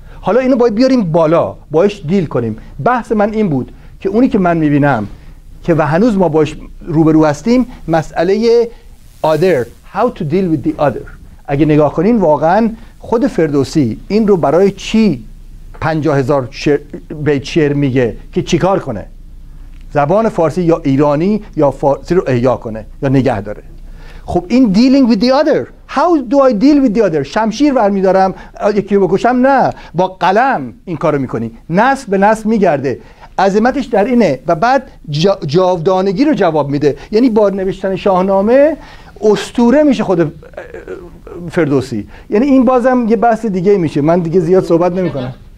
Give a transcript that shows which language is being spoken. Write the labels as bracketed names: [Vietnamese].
[Persian] حالا اینو باید بیاریم بالا، باهاش دیل کنیم. بحث من این بود که اونی که من میبینم که و هنوز ما باش روبرو هستیم، مسئله [English] other, how to deal with the other. [Persian] اگه نگاه کنین واقعاً خود فردوسی این رو برای چی 50,000 بیت شعر میگه که چیکار کنه؟ زبان فارسی یا ایرانی یا فارسی رو احیا کنه یا نگه داره. خب این [English] dealing with the other. How do I deal with the other? [Persian] شمشیر برمیدارم یکی رو بکشم؟ نه، با قلم این کار رو میکنی. نسل به نسل میگرده، عظمتش در اینه. و بعد جاودانگی رو جواب میده، یعنی با نوشتن شاهنامه اسطوره میشه خود فردوسی. یعنی این بازم یه بحث دیگه میشه، من دیگه زیاد صحبت نمی کنم.